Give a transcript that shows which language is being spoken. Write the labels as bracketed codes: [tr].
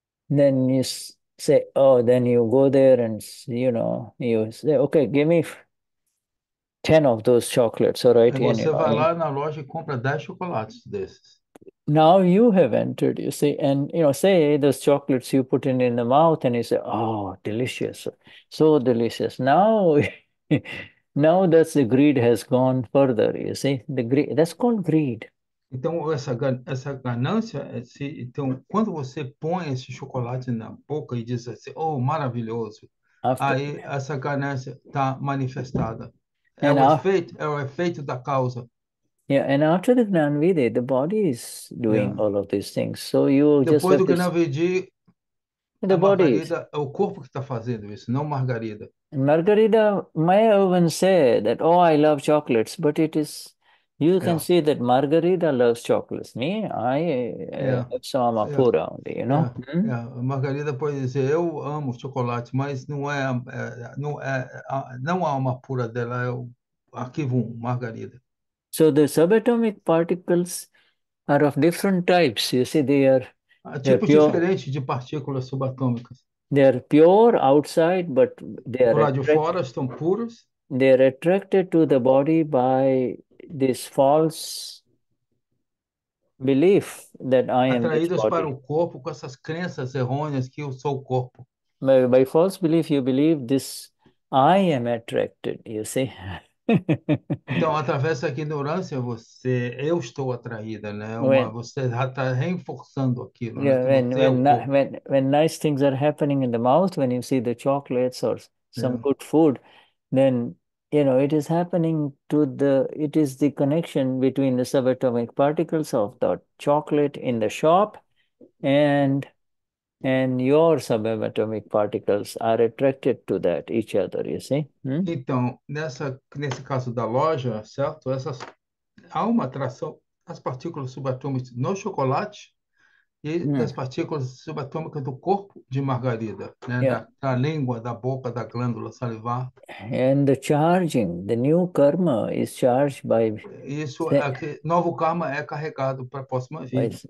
[en] And then you say, oh, then you go there and, you know, you say, okay, give me 10 of those chocolates, all right? [pt] Aí você vai lá na loja e compra 10 chocolates desses. [en] Now you have entered, you see, and, you know, say those chocolates you put in the mouth and you say, oh, delicious, so delicious. Now, now that's the greed has gone further, you see, the greed, that's called greed. [pt] Então, essa ganância, então, quando você põe esse chocolate na boca e diz assim, oh, maravilhoso, aí essa ganância está manifestada. É o efeito da causa. [en] Yeah, and after the Gnanvidhi, the body is doing all of these things. So you [pt] depois [en] just [pt] do Gnanvidhi, [en] the body is, [pt] é o corpo que está fazendo isso, não Margarida. [en] And Margarida may even say that, oh, I love chocolates, but it is, you can see that Margarida loves chocolates. Me, I love some pura only, you know. [pt] Margarida pode dizer, eu amo chocolate, mas não é alma pura dela, é o arquivo 1, Margarida. [en] So the subatomic particles are of different types. You see, they are [pt] tipos diferentes de partículas subatômicas. [en] They are pure outside, but they are [pt] lá de fora estão puros. [en] They are attracted to the body by this false belief that I am this body. [pt] Atraídos para o corpo com essas crenças errôneas que eu sou o corpo. [en] By false belief, you believe this. I am attracted. You see. [pt] Então, através da ignorância, você, eu estou atraída, né? Você já está reforçando aquilo. [en] Yeah, [pt] né? [en] When nice things are happening in the mouth, when you see the chocolates or some good food, then, you know, it is happening to the, it is the connection between the subatomic particles of the chocolate in the shop and And your subatomic particles are attracted to that each other, you see? [pt] Então, nesse caso da loja, certo? Há uma atração das partículas subatômicas no chocolate e das partículas subatômicas do corpo de margarida, né? Da língua, da boca, da glândula salivar. [en] And the charging, the new karma is charged [pt] Isso é que novo karma é carregado para a próxima vida.